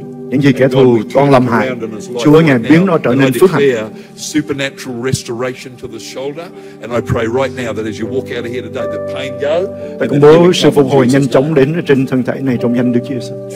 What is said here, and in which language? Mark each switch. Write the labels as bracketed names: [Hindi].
[Vietnamese] Những gì kẻ thù con làm hại, Chúa ngài biến nó trở nên phước hạnh. [English] Supernatural restoration to the shoulder, and I pray right now that as you walk out of here today, the pain go. [Vietnamese] Ta công bố sự phục hồi nhanh chóng đến ở trên thân thể này trong danh Đức Giêsu.